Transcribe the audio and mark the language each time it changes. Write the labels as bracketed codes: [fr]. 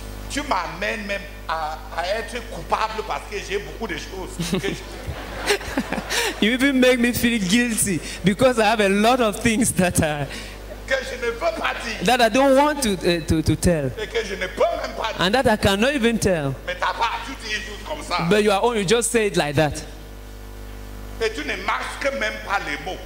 [fr] Tu m'amènes même à être coupable parce que j'ai beaucoup de choses. [en] You even make me feel guilty because I have a lot of things that I [fr] que je ne peux pas dire. [en] That I don't want to tell. [fr] Et que je ne peux même pas dire. [en] And that I cannot even tell. [fr] Mais t'as pas, tu dis juste comme ça. [en] But you just say it like that. [fr] Et tu ne masques même pas les mots.